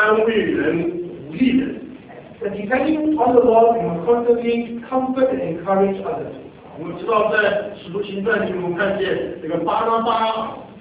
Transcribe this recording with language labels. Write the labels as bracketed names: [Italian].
[Chinese] 这就是靠着主耶稣基督啊，就是我们要常常的安慰人、鼓励人。 [English] The depending on the Lord, we must constantly comfort and encourage others. [Chinese] 我们知道在使徒行传里，我们看见这个巴拿巴。